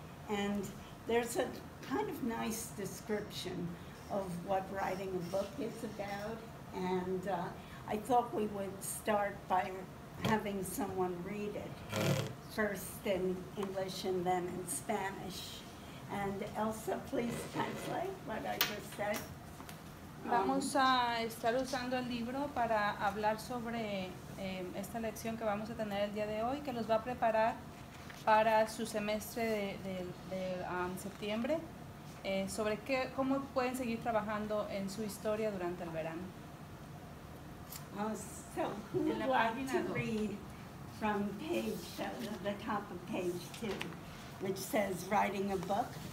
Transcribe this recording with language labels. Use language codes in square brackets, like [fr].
[en] And there's a kind of nice description of what writing a book is about, and I thought we would start by having someone read it, first in English and then in Spanish. And Elsa, please translate what I just said. [es] Vamos a estar usando el libro para hablar sobre esta lección que vamos a tener el día de hoy, que los va a preparar para su semestre de septiembre, sobre qué, cómo pueden seguir trabajando en su historia durante el verano. [en] So, who would like to read from page, the top of page two, which says writing a book?